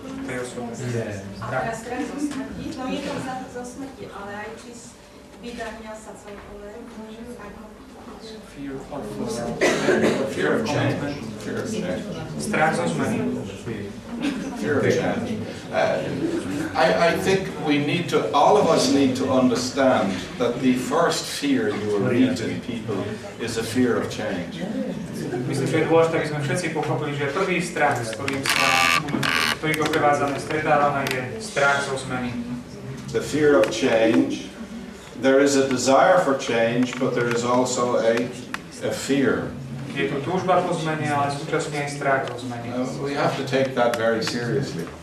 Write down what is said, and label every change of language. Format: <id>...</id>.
<en>I think we need to, all of us need to understand that the first fear you will meet in people is a fear of change.</en> <sk>Myslím, že je dôležité, aby sme všetci pochopili, že prvý strach, s ktorým sa toliko prevádzame stredávame, je strach zo zmeny.</sk> <en>The fear of change. There is a desire for change, but there is also a fear.</en> <sk>Je tu túžba po zmene, ale súčasne aj strach zo zmeny.</sk> <en>We have to take that very seriously.</en>